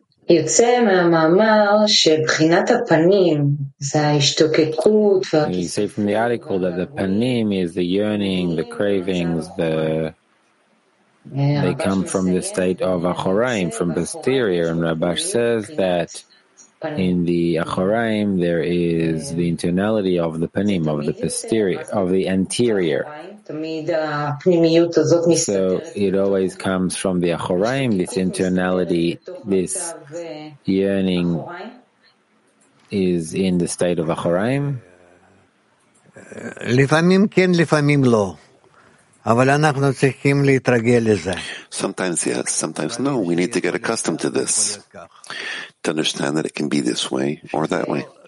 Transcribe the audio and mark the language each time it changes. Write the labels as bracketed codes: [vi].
[he] יוצא מהמאמר שבחינת הפנים זה ההשתוקקות. [en] You say from the article that the panim is the yearning, the cravings, they come from the state of achoraim, from posterior. And Rabash says that in the achoraim there is the internality of the panim, of the posterior, of the anterior. So it always comes from the achoraim, this internality, this yearning is in the state of achoraim. [he] לפעמים כן, לפעמים לא. אבל אנחנו צריכים להתרגל לזה. [en] Sometimes yes, sometimes no. We need to get accustomed to this. To understand that it can be this way or that way.